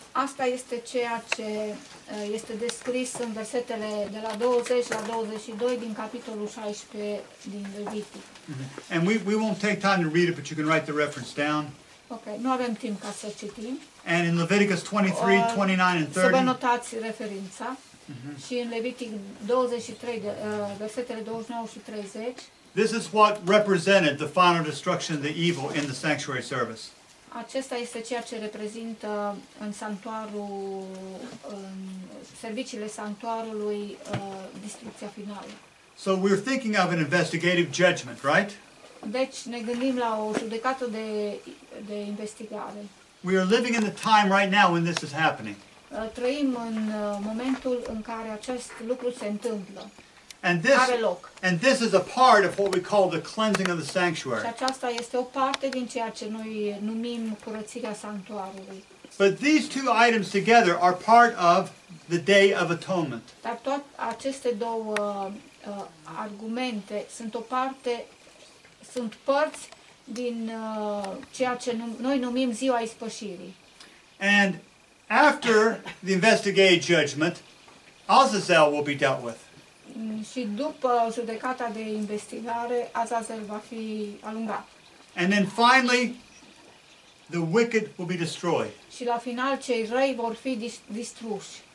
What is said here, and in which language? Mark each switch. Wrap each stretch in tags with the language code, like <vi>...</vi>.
<ro>Asta este ceea ce este descris în versetele de la 20 la 22 din capitolul 16 din Levitic. Mm-hmm.</ro> <en>And we won't take time to read it, but you can write the reference down.</en> <ro>Okay, nu avem timp ca să citim.</ro> <en>And in Leviticus 23, 29 and 30.</en> <ro>Să vă notați referința. Mm-hmm. Și în Levitic 23, versetele 29 și 30.</ro> <en>This is what represented the final destruction of the evil in the sanctuary service.</en> <ro>Acesta este ceea ce reprezintă în sanctuarul, în serviciile sanctuarului, distrucția finală.</ro> <en>So we're thinking of an investigative judgment, right?</en> <ro>Deci ne gândim la o judecată de investigare.</ro> <en>We are living in the time right now when this is happening.</en> <ro>Trăim în momentul în care acest lucru se întâmplă. Are loc.</ro> <en>And this is a part of what we call the cleansing of the sanctuary.</en> <ro>Și aceasta este o parte din ceea ce noi numim curățirea sanctuarului.</ro> <en>But these two items together are part of the Day of Atonement.</en> <ro>Dar toate aceste două argumente sunt o parte, sunt părți din ceea ce noi numim ziua ispășirii.</ro> <en>And after the investigative judgment, Azazel will be dealt with.</en> <ro>Și după judecata de investigare, Azazel va fi alungat.</ro> <en>And then finally, the wicked will be destroyed.</en> <ro>Și la final, cei răi vor fi distruși.</ro>